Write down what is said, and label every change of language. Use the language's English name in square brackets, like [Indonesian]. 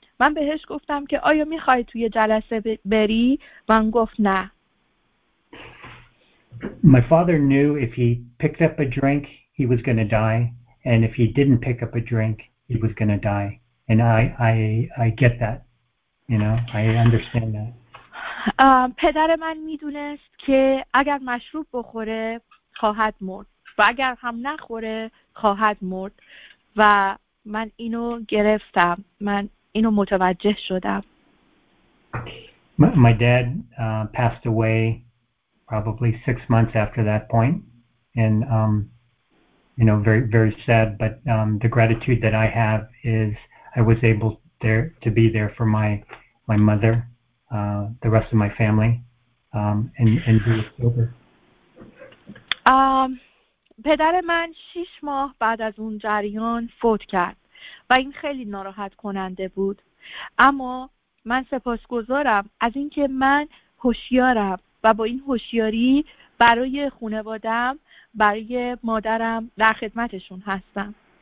[Persian] من بهش گفتم که آیا می‌خوای توی جلسه بری؟ من گفت نه. [English] My father knew if he picked up a drink he was going to die and if he didn't pick up a drink he was going to die. And I get that. You know, I understand that. [Persian] پدر من میدونست که اگر مشروب بخوره خواهد مرد و اگر هم نخوره خواهد مرد و من اینو گرفتم. من اینو متوجه شدم. [English] My dad passed away probably 6 months after that point. And you know, very, very sad, but the gratitude that I have is I was able to be there for my mother, the rest of my family, and be sober. [Persian] پدر من 6 ماه بعد از اون جریان فوت کرد و این خیلی ناراحت کننده بود. اما من سپاسگزارم از اینکه من هوشیارم و با این هوشیاری برای خانواده‌ام برای مادرم در خدمتشون هستم.